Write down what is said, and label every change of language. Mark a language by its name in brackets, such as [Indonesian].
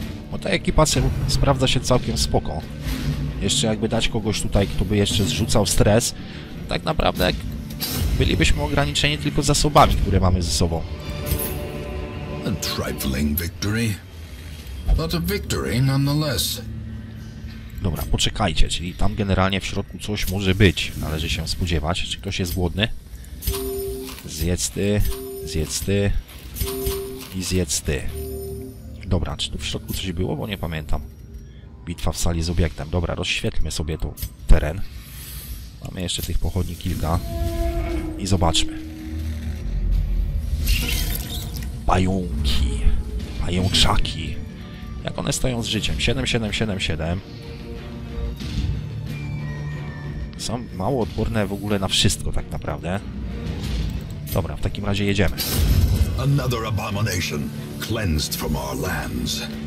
[Polish] Bo ta ekipa sprawdza się całkiem spoko. Jeszcze jakby dać kogoś tutaj, kto by jeszcze zrzucał stres, tak naprawdę bylibyśmy ograniczeni tylko zasobami, które mamy ze sobą. [English] A trifling victory, but a victory nonetheless. [Polish] Dobra, poczekajcie, czyli tam generalnie w środku coś może być. Należy się spodziewać. Czy ktoś jest głodny? Zjedz ty, zjedz ty i zjedz ty. Dobra, czy tu w środku coś było, bo nie pamiętam. Bitwa w sali z obiektem. Dobra, rozświetlmy sobie tu teren. Mamy jeszcze tych pochodni kilka. I zobaczmy. Pająki. Pajączaki. Jak one stoją z życiem? 7-7-7-7. Są mało odporne w ogóle na wszystko, tak naprawdę. Dobra, w takim razie jedziemy. [English] Another abomination cleansed from our lands.